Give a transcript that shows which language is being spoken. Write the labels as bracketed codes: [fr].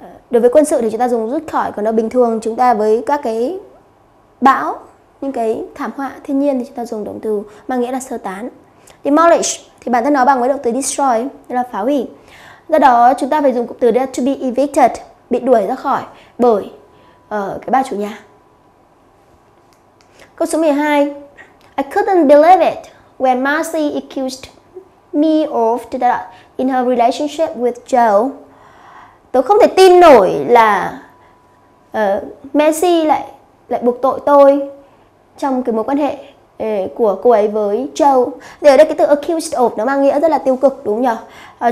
[vi] Đối với quân sự thì chúng ta dùng rút khỏi, còn đâu bình thường chúng ta với các cái bão, những cái thảm họa thiên nhiên thì chúng ta dùng động từ mang nghĩa là sơ tán. Demolish thì bản thân nó bằng với động từ destroy, tức là phá hủy. Do đó chúng ta phải dùng cụm từ [en] to be evicted, [vi] bị đuổi ra khỏi bởi cái bà chủ nhà. Câu số 12. [en] I couldn't believe it when Marcy accused me of that in her relationship with Joe. [vi] Tôi không thể tin nổi là Marcy lại buộc tội tôi trong cái mối quan hệ của cô ấy với Joe. Thì ở đây cái từ [en] accused of [vi] nó mang nghĩa rất là tiêu cực, đúng không nhỉ?